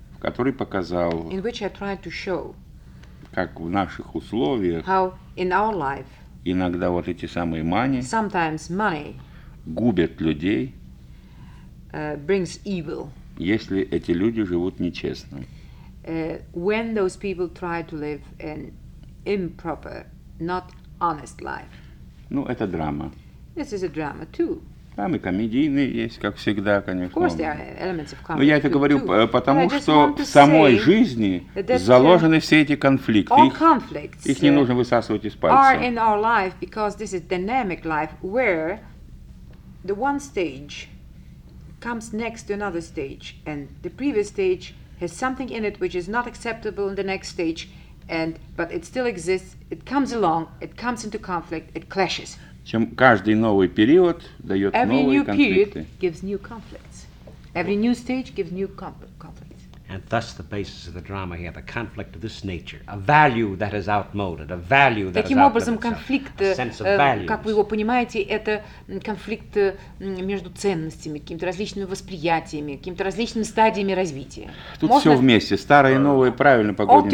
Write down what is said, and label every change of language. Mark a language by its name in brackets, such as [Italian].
[Russian] Который показал, [English] in which I tried to show, [Russian] как в наших условиях [English] how in our life, [Russian] иногда вот эти самые [English] money, sometimes money [Russian] губят людей, [English] brings evil, [Russian] если эти люди живут нечестно. [English] When those people try to live an improper, not honest life. [Russian] Ну, это драма. [English] This is a drama too. [Russian] Там и комедийные есть, как всегда, конечно. [English] Of course, there are elements of comedy. [Russian] Но я это говорю потому, что в самой жизни заложены все эти конфликты. [English] All conflicts, [Russian] их не нужно высасывать из пальца. [English] Are in our life because this is dynamic life where the one stage comes next to another stage and the previous stage has something in it which is not acceptable in the next stage and but it still exists, it comes along, it comes into conflict, it clashes. [Russian] Чем каждый новый период дает [English] every [Russian] новые [English] new [Russian] конфликты. [English] Period gives new conflicts. Every new stage gives new conflicts. And thus the basis of the drama here, the conflict of this nature, a value that is outmoded, a value that [Russian] таким [English] is [Russian] образом, [English] outmoded itself, a sense of values. [Russian] Как вы его понимаете, это конфликт между ценностями, какими-то различными восприятиями, какими-то различными стадиями развития. Тут можно все вместе, старое и новое, правильно погодится.